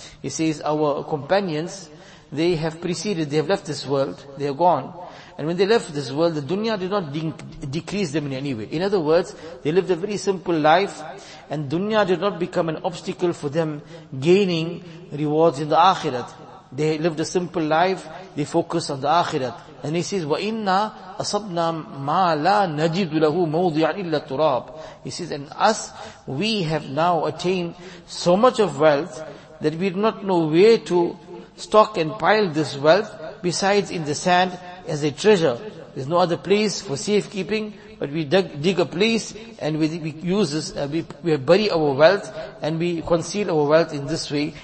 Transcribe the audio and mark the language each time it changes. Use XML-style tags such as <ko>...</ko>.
<en>He says, our companions, they have preceded, they have left this world, they are gone. And when they left this world, the dunya did not decrease them in any way. In other words, they lived a very simple life, and dunya did not become an obstacle for them gaining rewards in the akhirat. They lived a simple life, they focused on the akhirat. And he says,</en> <ar>وَإِنَّا أَصَبْنَا مَا لَا نَجِدُ لَهُ مَوْضِعًا إِلَّا تُرَابٍ.</ar> <en>He says, and us, we have now attained so much of wealth that we do not know where to stock and pile this wealth besides in the sand as a treasure. There's no other place for safekeeping But we dig a place and we bury our wealth and we conceal our wealth in this way.</en>